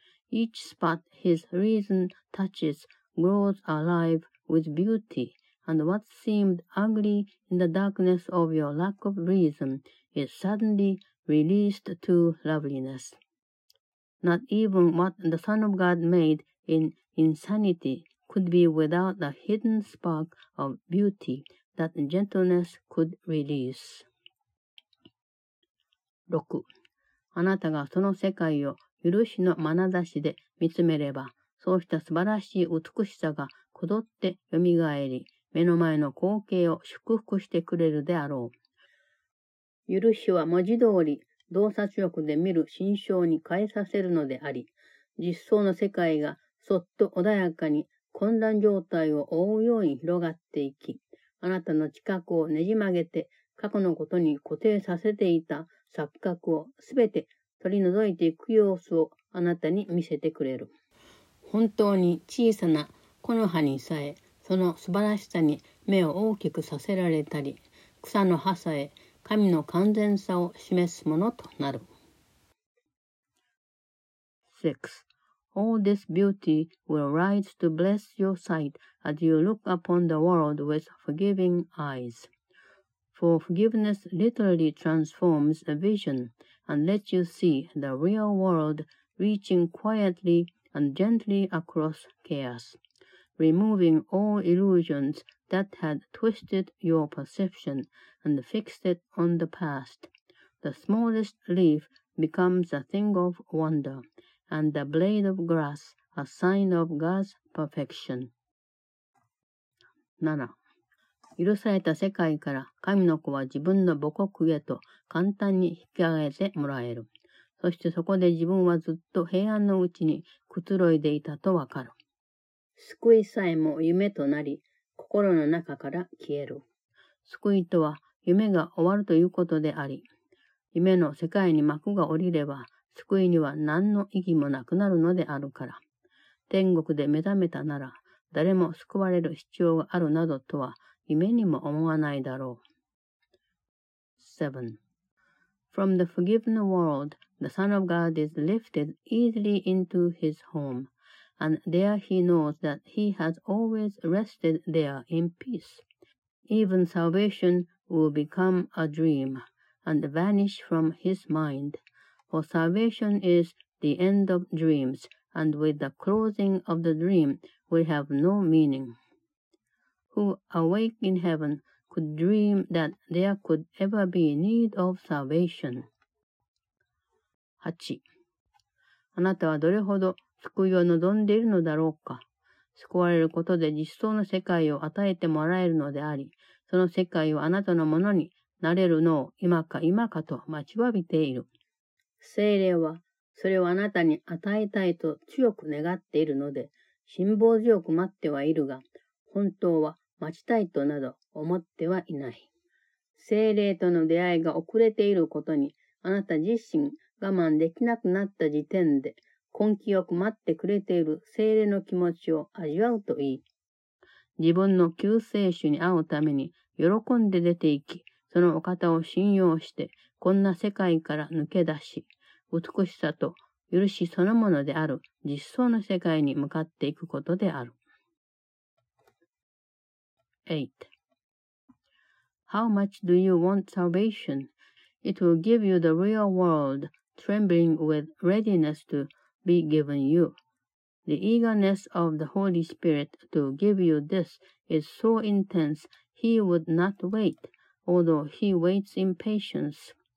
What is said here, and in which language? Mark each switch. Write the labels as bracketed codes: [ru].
[en] Each spot his reason touches grows alive with beauty, and what seemed ugly in the darkness of your lack of reason is suddenly released to loveliness. Not even what the Son of God made in insanity could be without the hidden spark of beauty that gentleness could release. 6. [ja] あなたがその世界を許しの眼差しで見つめれば、そうした素晴らしい美しさがこぞってよみがえり、目の前の光景を祝福してくれるであろう。許しは文字通り洞察力で見る心象に変えさせるのであり、実相の世界がそっと穏やかに混乱状態を覆うように広がっていき、あなたの近くをねじ曲げて過去のことに固定させていた錯覚をすべて取り除いていく様子をあなたに見せてくれる。本当に小さな木の葉にさえその素晴らしさに目を大きくさせられたり、草の葉さえ神の完全さを示すものとなる。 6. [en] All this beauty will rise to bless your sight as you look upon the world with forgiving eyes. For forgiveness literally transforms a vision and lets you see the real world reaching quietly and gently across chaos, removing all illusions that had twisted your perception and fixed it on the past. The smallest leaf becomes a thing of wonder, and the blade of grass a sign of God's perfection. 7. [ja] 許された世界から神の子は自分の母国へと簡単に引き上げてもらえる。そしてそこで自分はずっと平安のうちにくつろいでいたとわかる。救いさえも夢となり、心の中から消える。救いとは夢が終わるということであり、夢の世界に幕が降りれば、救いには何の意義もなくなるのであるから。天国で目覚めたなら、誰も救われる必要があるなどとは、夢にも思わないだろう。 7. [en] From the forgiven world, the Son of God is lifted easily into his home, and there he knows that he has always rested there in peace. Even salvation will become a dream and vanish from his mind, for salvation is the end of dreams, and with the closing of the dream will have no meaning. Who awake in heaven could dream that there could ever be need of salvation. 8. [ja] あなたはどれほど救いを望んでいるのだろうか。救われることで実相の世界を与えてもらえるのであり、その世界をあなたのものになれるのを今か今かと待ちわびている。聖霊はそれをあなたに与えたいと強く願っているので、辛抱強く待ってはいるが、本当は待ちたいとなど思ってはいない。聖霊との出会いが遅れていることに、あなた自身我慢できなくなった時点で、根気よく待ってくれている聖霊の気持ちを味わうといい。自分の救世主に会うために喜んで出て行き、そのお方を信用して、こんな世界から抜け出し、美しさと許しそのものである実相の世界に向かっていくことである。 8. [en] How much do you want salvation? It will give you the real world, trembling with readiness to be given you. The eagerness of the Holy Spirit to give you this is so intense he would not wait, although he waits in patience.